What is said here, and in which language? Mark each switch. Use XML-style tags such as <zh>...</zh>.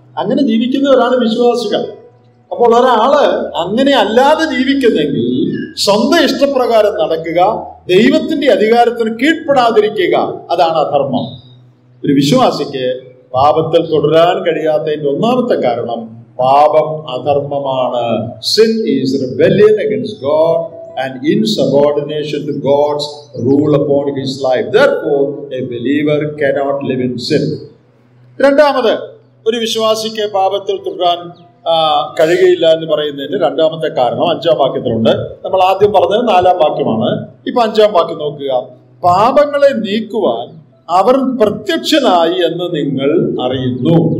<ml>അങ്ങനെ ജീവിക്കുന്നവരാണ് വിശ്വാസികൾ. അപ്പോൾ ഒരാള് അങ്ങനെ അല്ലാതെ ജീവിക്കുന്നെങ്കിൽ സ്വന്തം ഇഷ്ടപ്രകാരം നടക്കുക, ദൈവത്തിന്റെ അധികാരത്തിന് കീഴ്പ്പെടാതിരിക്കുക, അതാണ് അധർമ്മം. ഒരു വിശ്വാസിക്ക് പാപത്തിൽ തുടരാൻ കഴിയാത്തതിന്റെ ഒന്നാമത്തെ കാരണം പാപം അധർമ്മമാണ്.</ml> <en>Sin is rebellion against God and insubordination to God's rule upon his life. Therefore, a believer cannot live in sin.</en> <ml>രണ്ടാമത്, ഒരു വിശ്വാസിക്ക് പാപത്തിൽ തുടരാൻ കഴിയുകയില്ല എന്ന് പറയുന്നതിന് രണ്ടാമത്തെ കാരണം അഞ്ചാം വാക്യത്തിലുണ്ട്. നമ്മൾ ആദ്യം പറഞ്ഞത് നാലാം വാക്യമാണ്. ഇപ്പൊ അഞ്ചാം വാക്യം നോക്കുക. പാപങ്ങളെ നീക്കുവാൻ അവർ പ്രത്യക്ഷനായി എന്ന് നിങ്ങൾ അറിയുന്നു.</ml>